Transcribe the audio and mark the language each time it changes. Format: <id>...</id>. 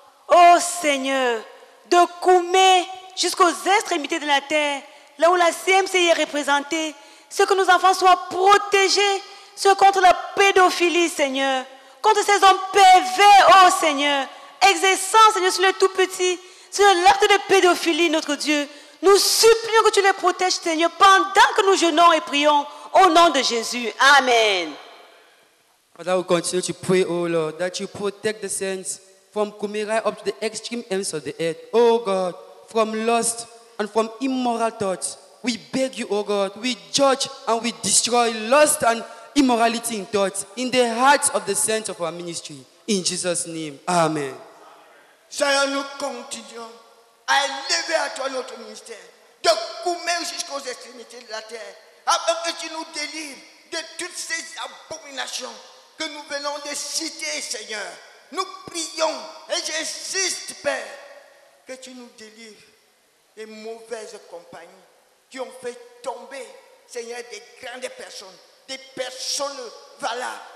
<fr>Oh Seigneur, de Koumé jusqu'aux extrémités de la terre, là où la CMCI est représentée, ce que nos enfants soient protégés, ce contre la pédophilie, Seigneur, contre ces hommes pervers, oh Seigneur, exerçant, Seigneur, sur le tout petit, sur l'acte de pédophilie, notre Dieu. Nous supplions que tu les protèges, Seigneur, pendant que nous jeûnons et prions. Au nom de Jésus, amen.</fr> <en>Father, we continue to pray, oh Lord, that you protect the saints from coming right up to the extreme ends of the earth. Oh God, from lust and from immoral thoughts, we beg you, oh God, we judge and we destroy lust and immorality in thoughts in the hearts of the saints of our ministry. In Jesus' name, amen.</en> <fr>Seigneur, nous continuons à élever à toi notre ministère, de Koumé jusqu'aux extrémités de la terre. Afin que tu nous délivres de toutes ces abominations que nous venons de citer, Seigneur. Nous prions et j'insiste, Père, que tu nous délivres des mauvaises compagnies qui ont fait tomber, Seigneur, des grandes personnes, des personnes valables.</fr>